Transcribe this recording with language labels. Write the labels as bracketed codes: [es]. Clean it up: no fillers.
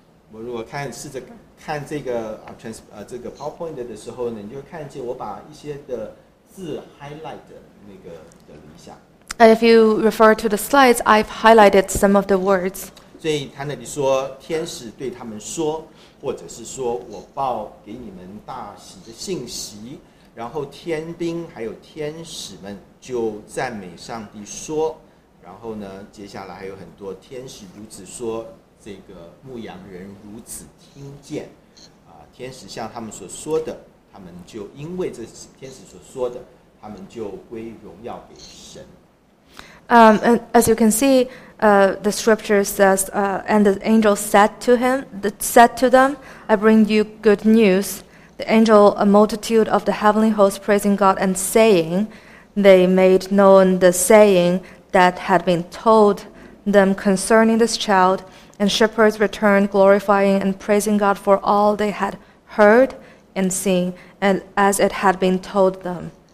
[zh] 我如果试着看这个 PowerPoint 的时候呢, 你就看见我把一些的字highlight的那个的一下。 [en] If you refer to the slides, I've highlighted some of the words. [zh] 所以他那里说，天使对他们说，或者是说我报给你们大喜的信息，然后天兵还有天使们就赞美上帝说，然后呢，接下来还有很多天使如此说，这个牧羊人如此听见。天使向他们所说的，他们就因为这天使所说的，他们就归荣耀给神。 [en] And as you can see, the scripture says, and the angel said to them, I bring you good news the angel, a multitude of the heavenly host praising God and saying, they made known the saying that had been told them concerning this child, and shepherds returned glorifying and praising God for all they had heard and seen, and as it had been told them.